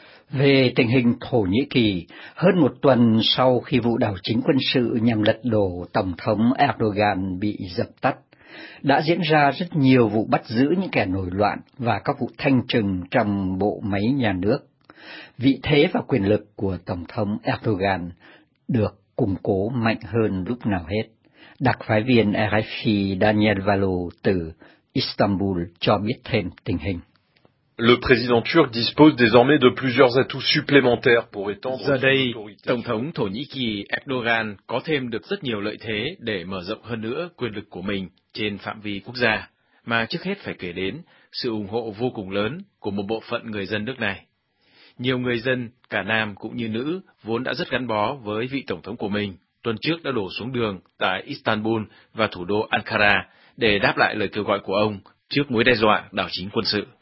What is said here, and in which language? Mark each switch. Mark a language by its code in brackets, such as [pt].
[vi] Về tình hình Thổ Nhĩ Kỳ, hơn một tuần sau khi vụ đảo chính quân sự nhằm lật đổ Tổng thống Erdogan bị dập tắt, đã diễn ra rất nhiều vụ bắt giữ những kẻ nổi loạn và các vụ thanh trừng trong bộ máy nhà nước. Vị thế và quyền lực của Tổng thống Erdogan được củng cố mạnh hơn lúc nào hết. Đặc phái viên RFI Daniel Valo từ Istanbul cho biết thêm tình hình. [fr] Le président turc dispose désormais de plusieurs atouts supplémentaires pour étendre son autorité. [vi] Tổng thống Thổ Nhĩ Kỳ Erdogan có thêm được rất nhiều lợi thế để mở rộng hơn nữa quyền lực của mình trên phạm vi quốc gia. mà trước hết phải kể đến sự ủng hộ vô cùng lớn của một bộ phận người dân nước này. Nhiều người dân, cả nam cũng như nữ, vốn đã rất gắn bó với vị tổng thống của mình, tuần trước đã đổ xuống đường tại Istanbul và thủ đô Ankara để đáp lại lời kêu gọi của ông trước mối đe dọa đảo chính quân sự.